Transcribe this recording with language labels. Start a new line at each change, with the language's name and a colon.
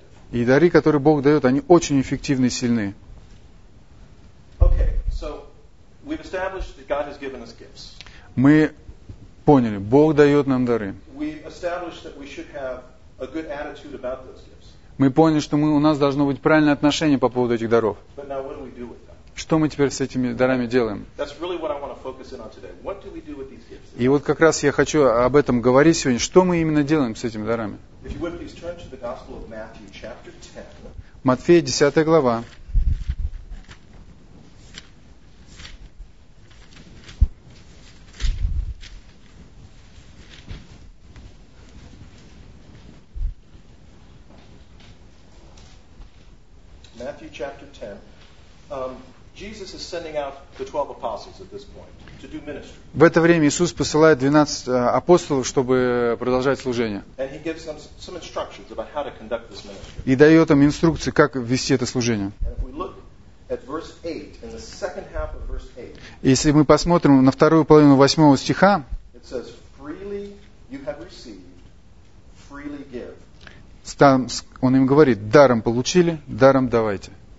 Russian: И дары, которые Бог дает, они очень эффективны и сильны.
English: Okay, so we've established that God has given us gifts.
Russian: Мы поняли, Бог дает нам дары.
English: We've established that we should have a good attitude about those gifts.
Russian: Мы поняли, что у нас должно быть правильное отношение по поводу этих даров.
English: But now what do we do with them?
Russian: Что мы теперь с этими дарами делаем?
English: That's really what I want to focus in on today. What do we do with these gifts?
Russian: И вот как раз я хочу об этом говорить сегодня. Что мы именно делаем с этими дарами?
English: If you would, please turn to the Gospel of Matthew, chapter 10.
Russian: Матфея, 10 глава.
English: Matthew, chapter 10. Jesus is sending out the 12 apostles at this point to do ministry.
Russian: В это время Иисус посылает 12 апостолов, чтобы продолжать служение.
English: And he gives them some instructions about how to conduct this ministry.
Russian: И дает им инструкции, как вести это служение.
English: And if we look at verse 8, in the second half of verse 8.
Russian: Если мы посмотрим на вторую половину 8 стиха,
English: it says, freely you have received, freely give.
Russian: Там он им говорит, даром получили, даром давайте.